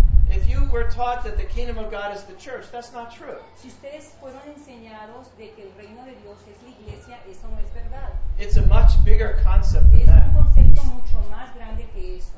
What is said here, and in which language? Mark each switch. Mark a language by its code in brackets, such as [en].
[en] If you were taught that the kingdom of God is the church, that's not true. [es] Si ustedes fueron enseñados de que el reino de Dios es la iglesia, eso no es verdad. [en] It's a much bigger concept than that. [es] Es un concepto mucho más grande que eso.